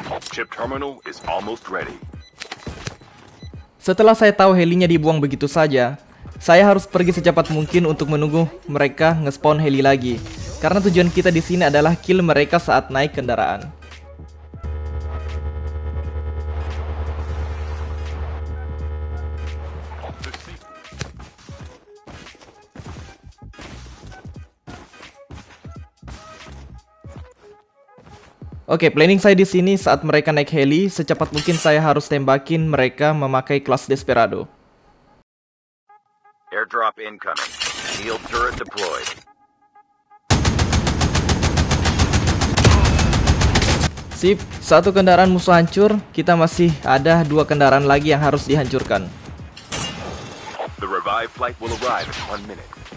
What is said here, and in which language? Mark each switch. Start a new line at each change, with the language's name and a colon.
English: Chip terminal is almost ready.
Indonesian: Setelah saya tahu helinya dibuang begitu saja, saya harus pergi secepat mungkin untuk menunggu mereka nge-spawn heli lagi. Karena tujuan kita di sini adalah kill mereka saat naik kendaraan. Oke, planning saya di sini saat mereka naik heli, secepat mungkin saya harus tembakin mereka memakai kelas Desperado.
English: Airdrop incoming. Shield turret deployed.
Indonesian: Sip, satu kendaraan musuh hancur, kita masih ada dua kendaraan lagi yang harus dihancurkan.
English: The revive flight will arrive in 1 minute.